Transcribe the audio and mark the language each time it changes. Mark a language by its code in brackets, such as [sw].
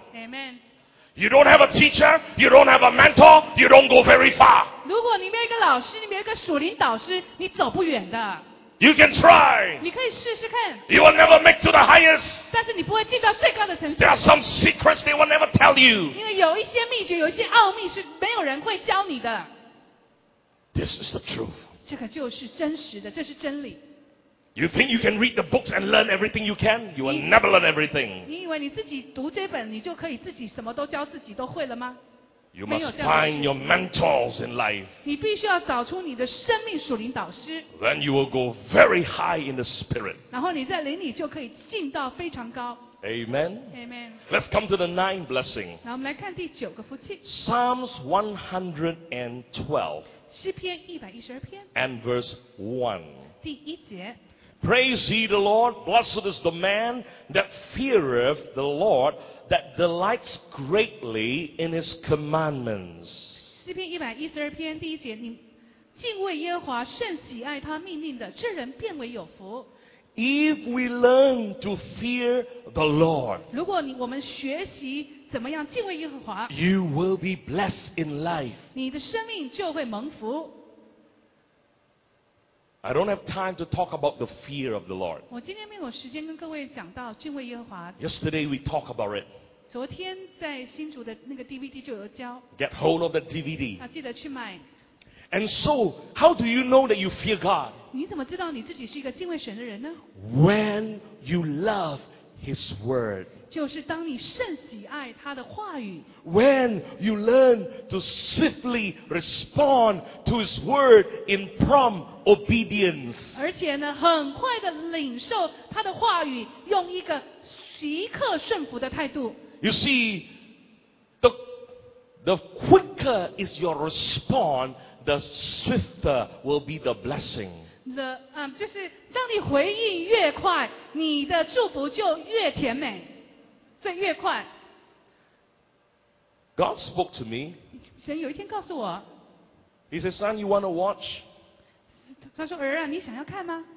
[en] Amen. You don't have a teacher, you don't have a mentor, you don't go very far. [zh] 如果你没有一个老师，你没有一个属灵导师，你走不远的。 [en] You can try. [zh] 你可以试试看。 [en] You will never make to the highest. [zh] 但是你不会进到最高的层次。 [en] There are some secrets they will never tell you. [zh] 因为有一些秘诀，有一些奥秘是没有人会教你的。 [en] This is the truth. [zh] 这个就是真实的，这是真理。 [en] You think you can read the books and learn everything you can? You will never learn everything. [zh] 你以为你自己读这本，你就可以自己什么都教自己都会了吗？ [en] You must find your mentors in life. [zh] 你必须要找出你的生命属灵导师。 [en] Then you will go very high in the spirit. [zh] 然后你在灵里就可以进到非常高。 [en] Amen. Amen. Let's come to the ninth blessing. [zh] 那我们来看第九个福气。 [en] Psalms 112. [zh] 诗篇112篇。 [en] And verse 1. [zh] 第一节。 [en] Praise ye the Lord, blessed is the man that feareth the Lord, that delights greatly in his commandments. [zh] 诗篇112篇第一节，你敬畏耶和华，甚喜爱他命令的，这人变为有福。 [en] If we learn to fear the Lord, [zh] 如果我们学习怎么样敬畏耶和华， [en] you will be blessed in life. [zh] 你的生命就会蒙福。 [en] I don't have time to talk about the fear of the Lord. [zh] 我今天没有时间跟各位讲到敬畏耶和华。 [en] Yesterday we talked about it. [zh] 昨天在新竹的那个 DVD 就有教。 [en] Get hold of the DVD. [zh] 啊，记得去买。 [en] And so, how do you know that you fear God? [zh] 你怎么知道你自己是一个敬畏神的人呢？ [en] When you love His word. [zh] 就是当你甚喜爱他的话语。 [en] When you learn to swiftly respond to His word in prompt obedience. [zh] 而且呢，很快的领受他的话语，用一个即刻顺服的态度。 [en] You see, the quicker is your response,The swifter will be the blessing. [zh] 就是当你回应越快，你的祝福就越甜美，所以越快。 [en] God spoke to me. [zh] 神有一天告诉我。 [en] He said, "Son, you want to watch?" [zh] 他说儿啊，你想要看吗